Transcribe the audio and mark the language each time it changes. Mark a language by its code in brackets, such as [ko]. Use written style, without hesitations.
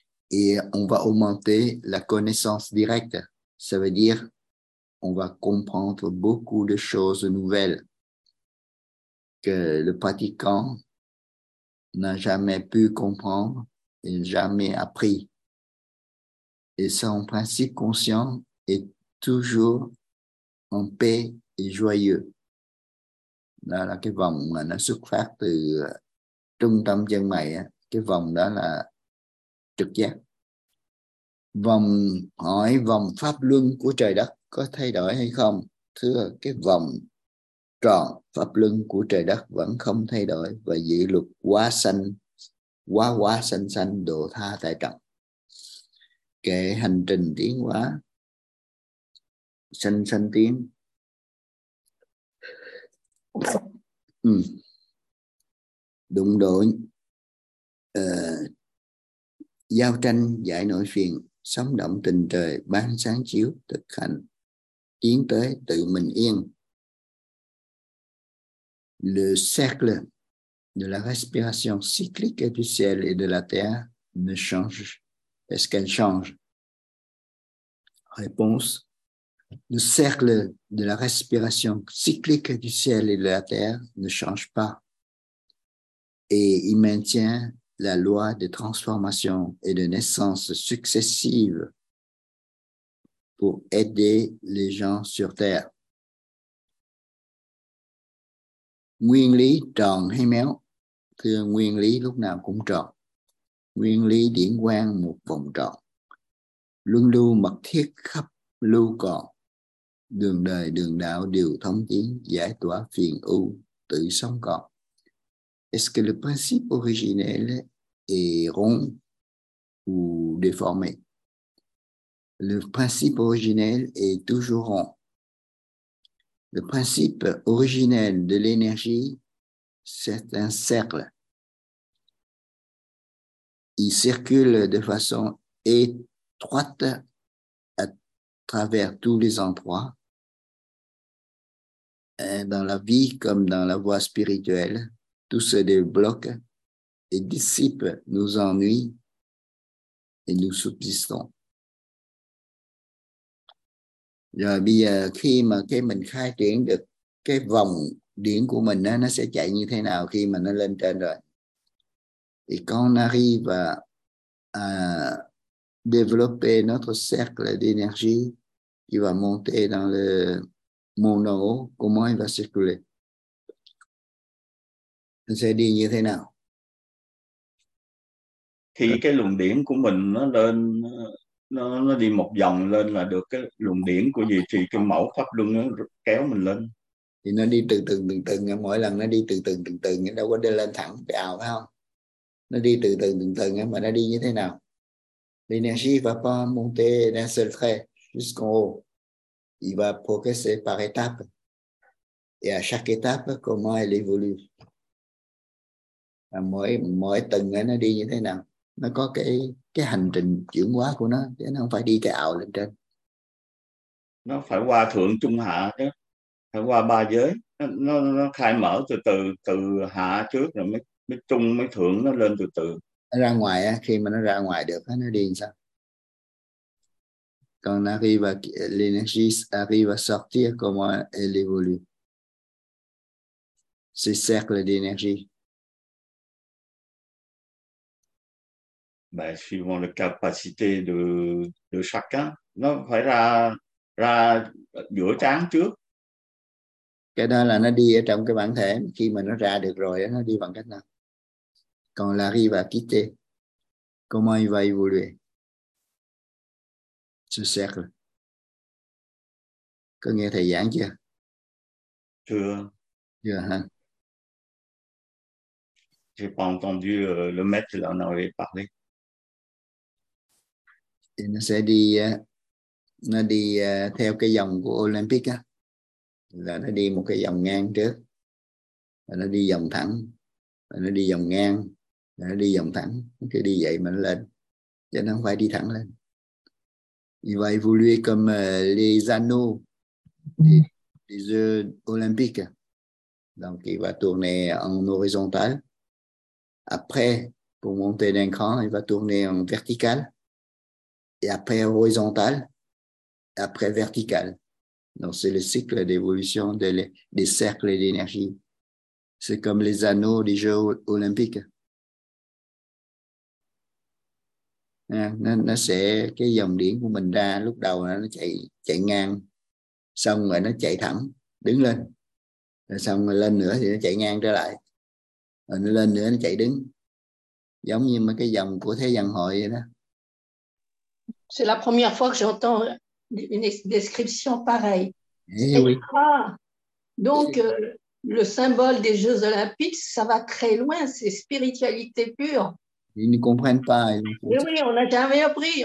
[fr] Et on va augmenter la connaissance directe. Ça veut dire on va comprendre beaucoup de choses nouvelles que le pratiquant n'a jamais pu comprendre et jamais appris. Et son principe conscient est toujours en paix et joyeux. [vi] Đó là cái vòng mà nó xuất phát từ trung tâm chân mày, cái vòng đó là trực giác. Vòng hỏi, vòng pháp luân của trời đất có thay đổi hay không? Thưa, cái vòng tròn pháp luân của trời đất vẫn không thay đổi và dự luật quá xanh, quá quá xanh xanh độ tha tại trọng. Kể hành trình tiến hóa, xanh xanh tiến. Đụng độ, giao tranh giải nỗi phiền, sóng động tình trời ban sáng chiếu, thực hành tiến tới tự mình yên. [fr] Le cercle de la respiration cyclique du ciel et de la terre ne change, est-ce qu'elle change? Réponse, le cercle de la respiration cyclique du ciel et de la terre ne change pas et il maintient la loi de transformation et de naissance successives pour aider les gens sur terre. [vi] Nguyên lý tròn hay méo? Thưa, nguyên lý lúc nào cũng tròn. Nguyên lý điển quang một vòng tròn. Luân lưu mật thiết khắp lưu còn. Đường đời, đường đạo đều thống tiến, giải tỏa phiền ưu, tự sống còn. [fr] Est-ce que le principe originel est rond ou déformé? Le principe originel est toujours rond. Le principe originel de l'énergie, c'est un cercle. Il circule de façon étroite à travers tous les endroits, dans la vie comme dans la voie spirituelle. Tout se débloque et dissipe nos ennuis et nous subsistons. [vi] Rồi bây giờ khi mà cái mình khai triển được cái vòng điển của mình đó, nó sẽ chạy như thế nào khi mà nó lên trên rồi? Thì con [fr] arrive à développer notre cercle d'énergie qui va monter dans le monde en haut. Comment il va circuler? [vi] Nó sẽ đi như thế nào? Khi cái luồng điển của mình nó lên, nó đi một vòng lên là được cái luồng điển của gì, thì cái mẫu pháp luân nó kéo mình lên. Thì nó đi từ từ, mỗi lần nó đi từ từ, nó đâu có đi lên thẳng, phải ào phải không? Nó đi từ từ, mà nó đi như thế nào? [fr] L'énergie va pas monter d'un seul trait jusqu'en haut. Il va progresser par étapes. Et à chaque étape, comment elle évolue? [vi] Mỗi tầng nó đi như thế nào? Nó có cái hành trình chuyển hóa của nó, chứ nó không phải đi cái ảo lên trên. Nó phải qua thượng trung hạ chứ, phải qua ba giới. Nó khai mở từ từ hạ trước rồi mới trung mới thượng, nó lên từ từ. Ra ngoài á, khi mà nó ra ngoài được nó đi làm sao? [fr] Quand on arrive à l'énergie arrive à sortir, comment elle évolue? Ce cercle d'énergie. Ben, suivant la capacité de chacun, [vi] nó phải ra giữa trán trước. Cái đó là nó đi ở trong cái bản thể, khi mà nó ra được rồi nó đi bằng cách nào? [fr] Quand on arrive à quitter, comment il va évoluer ce cercle? [vi] Có nghe thầy giảng chưa? Chưa. Chưa hả? [fr] J'ai pas entendu le maître là on avait parlé. [vi] Thì nó đi theo cái dòng của Olympic á, là nó đi một cái dòng ngang trước, rồi nó đi dòng thẳng, rồi nó đi dòng ngang, rồi nó đi dòng thẳng, cứ đi vậy mà nó lên, chứ nó không phải đi thẳng lên. [fr] Il va évoluer comme les anneaux des jeux olympiques, donc il va tourner en horizontal. Après, pour monter d'un cran, il va tourner en vertical. Et après horizontal, après vertical. Donc c'est le cycle d'évolution des cercles d'énergie. C'est comme les anneaux des Jeux olympiques. [vi] Nó sẽ cái dòng điện của mình ra lúc đầu nó chạy ngang, xong rồi nó chạy thẳng đứng lên, rồi xong rồi lên nữa thì nó chạy ngang trở lại, rồi nó lên nữa nó chạy đứng, giống như mấy cái dòng của thế vận hội vậy đó. [fr] C'est la première fois que j'entends une description pareille. Oui. Ah, donc le symbole des Jeux Olympiques, ça va très loin, c'est spiritualité pure. Ils ne comprennent pas. Oui, on n'a jamais appris.